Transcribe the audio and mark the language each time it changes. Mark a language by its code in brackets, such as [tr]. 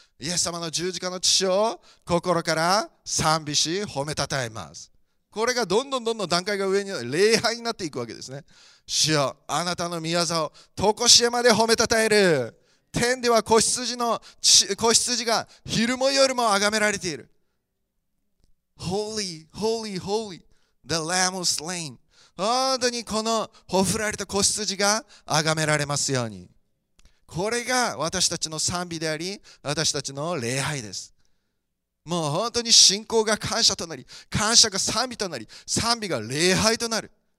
[ja] イエス様の十字架の血潮を心から賛美し褒めたたえます。これがどんどんどんどん段階が上に礼拝になっていくわけですね。主よ、あなたの御業を常しえまで褒めたたえる。天では子羊が昼も夜も崇められている。 [en] Holy, holy, holy, the lamb was slain. [ja] 本当にこのほふられた子羊が崇められますように。これが私たちの賛美であり、私たちの礼拝です。もう本当に信仰が感謝となり、感謝が賛美となり、賛美が礼拝となる。